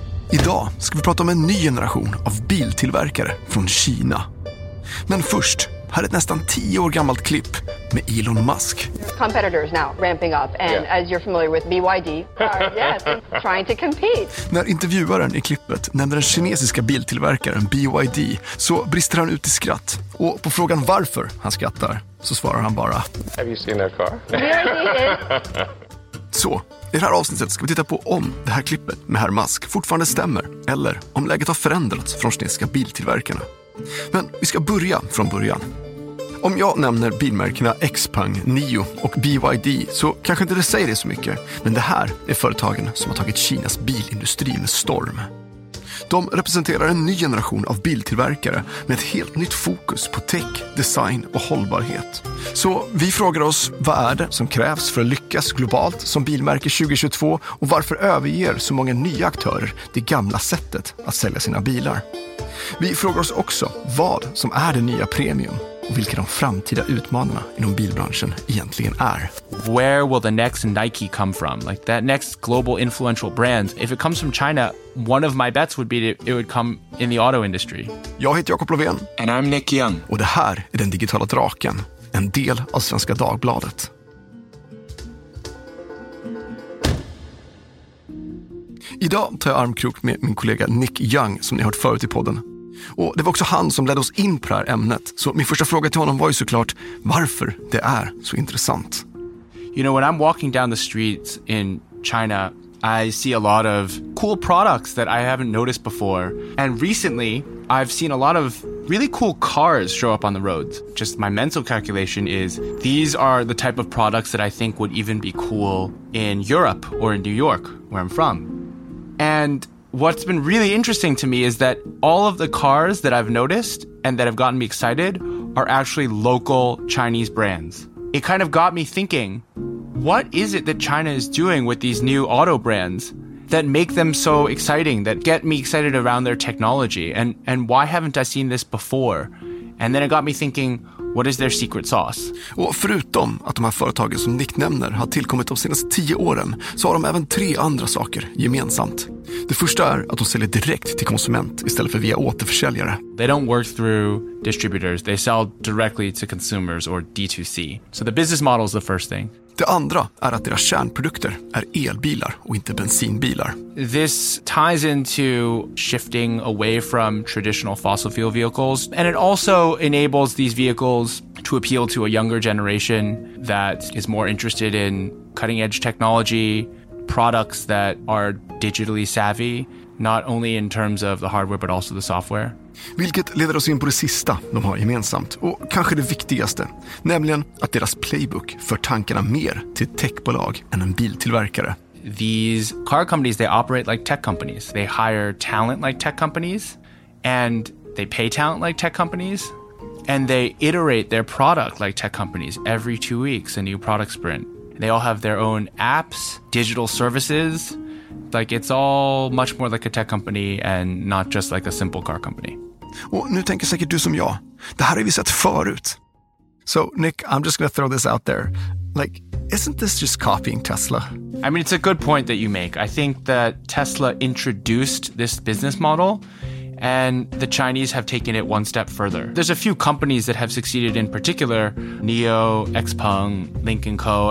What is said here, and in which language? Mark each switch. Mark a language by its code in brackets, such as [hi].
[sv] Idag ska vi prata om en ny generation av biltillverkare från Kina. Men först, här är ett nästan 10 år gammalt klipp med Elon Musk. [en] Competitors now ramping up and yeah. As you're familiar with BYD, yes, trying to compete. [sv] När intervjuaren i klippet nämner den kinesiska biltillverkaren BYD så brister han ut i skratt. Och på frågan varför han skrattar så svarar han bara: [en] Have you seen that car? [sv] Så, i det här avsnittet ska vi titta på om det här klippet med herr Musk fortfarande stämmer eller om läget har förändrats från de kinesiska biltillverkarna. Men vi ska börja från början. Om jag nämner bilmärkena XPeng, NIO och BYD så kanske inte det säger det så mycket, men det här är företagen som har tagit Kinas bilindustri med storm. De representerar en ny generation av biltillverkare med ett helt nytt fokus på tech, design och hållbarhet. Så vi frågar oss, vad är det som krävs för att lyckas globalt som bilmärke 2022 och varför överger så många nya aktörer det gamla sättet att sälja sina bilar? Vi frågar oss också, vad som är det nya premium och vilka de framtida utmaningarna inom bilbranschen egentligen är. [en] Where will the next Nike come from? Like that next global influential brand, if it comes from China, one of my bets would be it would come in the auto industry. [sv] Jag heter Jakob Löfven. [en] And I'm Nick Young. [sv] Och det här är Den digitala draken, en del av Svenska Dagbladet. Idag tar jag armkrok med min kollega Nick Young, som ni hört förut i podden. Och det var också han som ledde oss in på det här ämnet. Så min första fråga till honom var ju såklart varför det är så intressant. [en] You know, when I'm walking down the streets in China, I see a lot of cool products that I haven't noticed before. And recently, I've seen a lot of really cool cars show up on the roads. Just my mental calculation is these are the type of products that I think would even be cool in Europe or in New York, where I'm from. And what's been really interesting to me is that all of the cars that I've noticed and that have gotten me excited are actually local Chinese brands. It kind of got me thinking, what is it that China is doing with these new auto brands that make them so exciting, that get me excited around their technology? And why haven't I seen this before? And then it got me thinking, what is their secret sauce? [sv] Och förutom att de här företagen som Nick nämner har tillkommit de senaste 10 åren, så har de även 3 andra saker gemensamt. Det första är att de säljer direkt till konsument istället för via återförsäljare. [en] They don't work through distributors. They sell directly to consumers or D2C. So the business model is the first thing. [sv] Det andra är att deras kärnprodukter är elbilar och inte bensinbilar. [en] This ties into shifting away from traditional fossil fuel vehicles, and it also enables these vehicles to appeal to a younger generation that is more interested in cutting edge technology, products that are digitally savvy, not only in terms of the hardware but also the software. [sv] Vilket leder oss in på det sista de har gemensamt, och kanske det viktigaste, nämligen att deras playbook för tankarna mer till techbolag än en biltillverkare. [en] These car companies, they operate like tech companies. They hire talent like tech companies, and they pay talent like tech companies, and they iterate their product like tech companies. Every 2 weeks, a new product sprint. They all have their own apps, digital services. Like it's all much more like a tech company and not just like a simple car company. [sv] Och nu tänker säkert du som jag, det här har vi sett förut. [en] So Nick, I'm just gonna throw this out there. Like, isn't this just copying Tesla? I mean, it's a good point that you make. I think that Tesla introduced this business model and the Chinese have taken it one step further. There's a few companies that have succeeded in particular, NIO, XPeng, Lincoln Co.